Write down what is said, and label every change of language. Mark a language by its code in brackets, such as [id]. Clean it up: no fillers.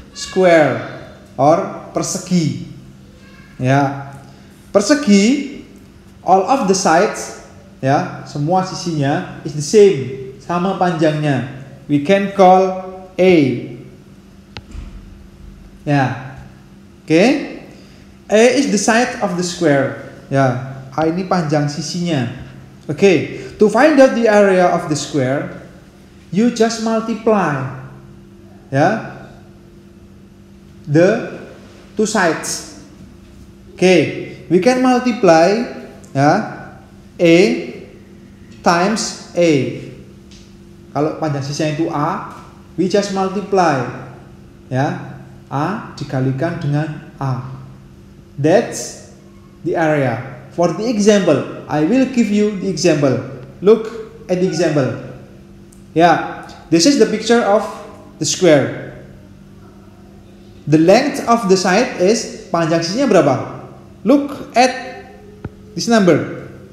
[en] Square or persegi. Yeah, persegi. All of the sides, ya, [id] semua sisinya [en] is the same, [id] sama panjangnya. [en] We can call A. Ya, yeah. Okay? A is the side of the square. [id] Ya, yeah. A ini panjang sisinya. [en] Okay, to find out the area of the square, you just multiply, [id] ya, [en] yeah, the two sides. Okay, we can multiply. Yeah, A times A. [id] Kalau panjang sisinya itu A, [en] we just multiply. [id] Yeah, A dikalikan dengan A. [en] That's the area. For the example, I will give you the example. Look at the example. Yeah, this is the picture of the square. The length of the side is, [id] panjang sisinya berapa? [en] Look at this number.